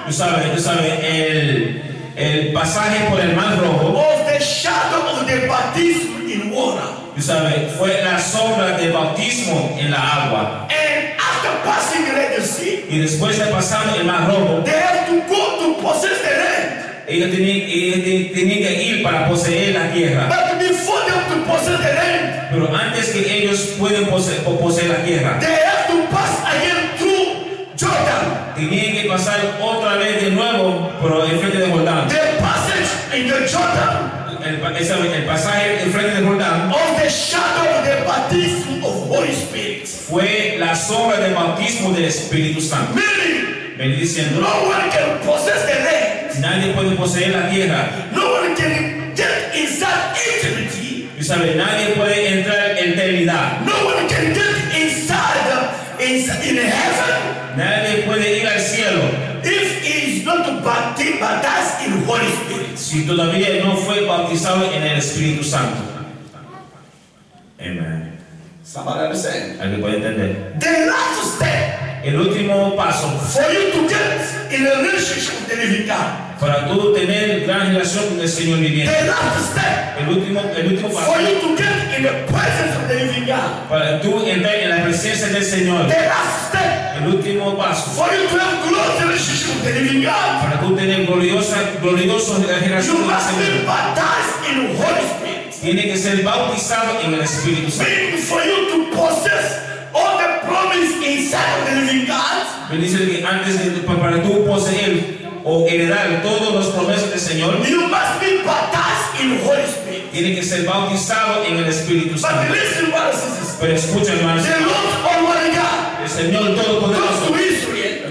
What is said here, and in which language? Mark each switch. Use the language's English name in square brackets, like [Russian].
[Spanish] Tú sabes el pasaje por el mar rojo. [English] Of the shadow of the baptism in water. [Spanish] ¿Sabe? Fue la sombra del bautismo en la agua. [English] And after passing the Red Sea, [Spanish] y después de pasar el mar rojo, [English] they have to go to possess the land. [Spanish] Ellos tenían que ir para poseer la tierra. [English] But before they have to possess the land, [Spanish] pero antes que ellos pueden poseer la tierra, [English] they have to pass again through Jordan. [Spanish] Tenían que pasar otra vez de nuevo por el frente de Jordán. [English] The passage in the Jordan. [Spanish] El pasaje enfrente de Jordán [English] of the shadow of the baptism of Holy Spirit [Spanish] fue la sombra del bautismo del Espíritu Santo. [English] Meaning, [Spanish] diciendo, [English] no one can possess the land. [Spanish] Nadie puede poseer la tierra. [English] No one can get inside eternity. [Spanish] Y sabe, nadie puede entrar en eternidad. [English] No one can get inside in heaven. [Spanish] Nadie puede ir al cielo. [English] If he is not baptized in Holy Spirit. [Spanish] Si todavía no fue bautizado en el Espíritu Santo. [English] Amen. Somebody understand? [Spanish] ¿Alguien puede entender? [English] The last step. [Spanish] El último paso. [English] For you to get in a relationship with the living God. [Spanish] Para tú tener gran relación con el Señor viviente. [English] The last step. [Spanish] El último paso. [English] For you to get in the presence of the living God. [Spanish] Para tú entrar en la presencia del Señor. [English] The last step. [Spanish] El último paso. [English] For you to have glorious relationship with the living God. [Spanish] Para tú tener glorioso relación con el Señor. [English] You must be baptized in Holy Spirit. [Spanish] Tiene que ser bautizado en el Espíritu Santo. [English] Meaning for you to possess all the promise inside of the living God. [Spanish] Me dice que antes para tú poseer o heredar todos los promesas del Señor. [English] You must be baptized in Holy Spirit. [Spanish] Tiene que ser bautizado en el Espíritu Santo. [English] But listen, brothers and sisters. [Spanish] Pero escucha, hermanos. [English] The Lord Almighty God. [Spanish] El Señor Todopoderoso. [English] To Israel.